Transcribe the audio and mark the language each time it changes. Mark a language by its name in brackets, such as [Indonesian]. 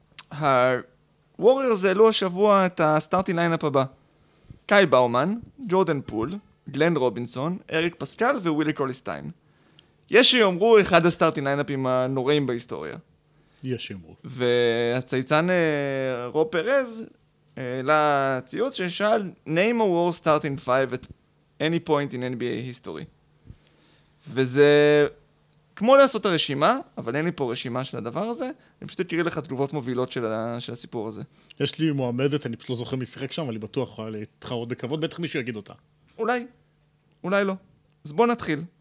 [Hebrew] הווריורס העלו השבוע את הסטארטינג ליינאפ הבא. קאי באומן, ג'ורדן פול, גלן רובינסון, אריק פסקל ווילי קוליסטיין. יש שיאמרו אחד הסטארטינג ליינאפים הנוראים בהיסטוריה. יש שיאמרו. והצייצן רוב פרז לציוץ ששאל [English] name a worst starting five at any point in NBA history. [Hebrew] וזה כמו לעשות הרשימה, אבל אין לי פה רשימה של הדבר הזה, אני פשוט אקריא לך תגובות מובילות של, של הסיפור הזה. יש לי מועמדת, אני פשוט לא זוכר משחק שם, אבל היא בטוח יכולה להתחרות בכבוד, בטח מישהו יגיד אותה. אולי, אולי לא. אז בוא נתחיל.